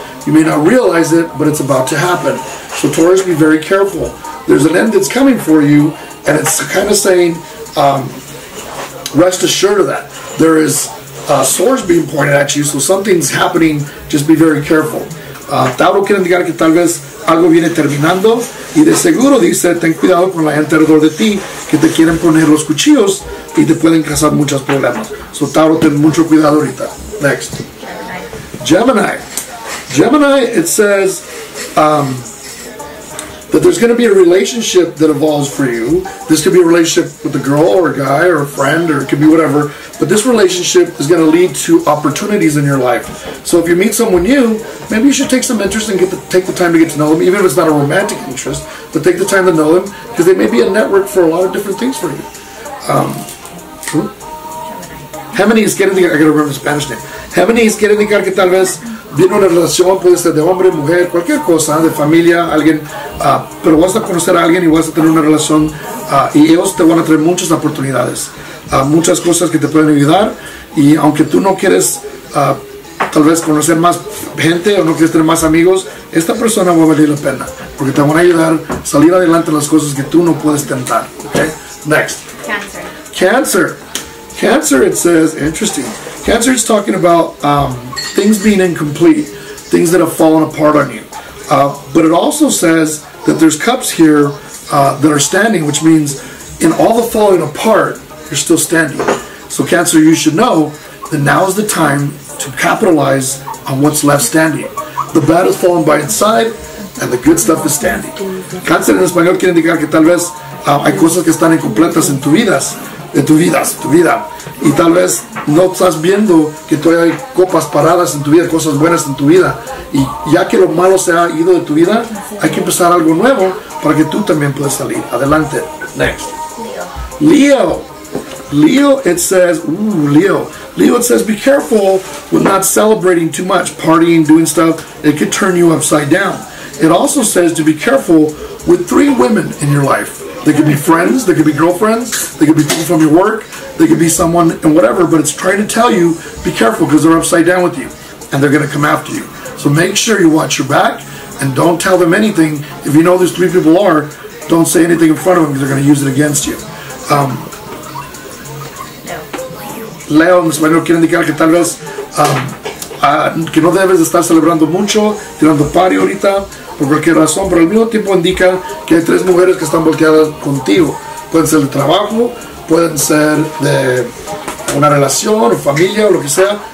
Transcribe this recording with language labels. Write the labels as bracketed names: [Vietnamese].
[English] You may not realize it, but it's about to happen. So Taurus, be very careful. There's an end that's coming for you, and it's kind of saying, rest assured of that. There is swords being pointed at you, so something's happening, just be very careful. [Spanish] Tauro quiere indicar que tal vez algo viene terminando, y de seguro dice, ten cuidado con la gente alrededor de ti, que te quieren poner los cuchillos, y te pueden causar muchos problemas. So Tauro, ten mucho cuidado ahorita. Next. [English] Gemini. Gemini, it says that there's going to be a relationship that evolves for you. This could be a relationship with a girl or a guy or a friend, or it could be whatever. But this relationship is going to lead to opportunities in your life. So if you meet someone new, maybe you should take some interest and take the time to get to know them, even if it's not a romantic interest, but take the time to know them, because they may be a network for a lot of different things for you. Hemenes, I got to remember the Spanish name. [Spanish] Hemenes, quiere indicar que tal vez viene una relación, puede ser de hombre, mujer, cualquier cosa, de familia, alguien, pero vas a conocer a alguien y vas a tener una relación, y ellos te van a traer muchas oportunidades, muchas cosas que te pueden ayudar, y aunque tú no quieres tal vez conocer más gente o no quieres tener más amigos, esta persona va a valer la pena, porque te van a ayudar a salir adelante en las cosas que tú no puedes tentar. [English] Okay? Next. Cancer. Cancer, it says, interesting. Cancer is talking about things being incomplete, things that have fallen apart on you. But it also says that there's cups here that are standing, which means in all the falling apart, you're still standing. So Cancer, you should know that now is the time to capitalize on what's left standing. The bad has fallen by its side, and the good stuff is standing. [Spanish] Cancer en español quiere indicar que tal vez hay cosas que están incompletas en tu vida, y tal vez no estás viendo que todavía hay copas paradas en tu vida, cosas buenas en tu vida, y ya que lo malo se ha ido de tu vida, hay que empezar algo nuevo para que tú también puedas salir adelante. [English] Next. Leo, it says, Leo, it says, be careful with not celebrating too much, partying, doing stuff, it could turn you upside down. It also says to be careful with three women in your life. They could be friends, they could be girlfriends, they could be people from your work, they could be someone and whatever, but it's trying to tell you, be careful because they're upside down with you and they're going to come after you. So make sure you watch your back and don't tell them anything. If you know there's three people are, don't say anything in front of them because they're going to use it against you. [Spanish] Leo, en español, quiere indicar que tal vez que no debes estar celebrando mucho, tirando party ahorita, por cualquier razón, pero al mismo tiempo indica que hay tres mujeres que están volteadas contigo. Pueden ser de trabajo, pueden ser de una relación o familia o lo que sea.